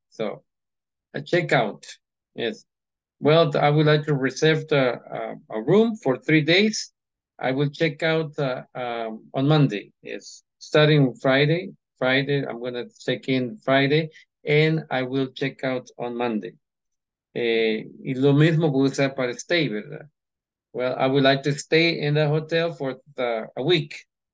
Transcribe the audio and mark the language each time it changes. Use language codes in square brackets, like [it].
[en] So a checkout. Yes. Well, I would like to reserve a room for 3 days. I will check out on Monday. Yes. Starting Friday. Friday, I'm going to check in Friday and I will check out on Monday. [es] Y lo mismo puede ser para stay, ¿verdad? [en] Well, I would like to stay in the hotel for a week.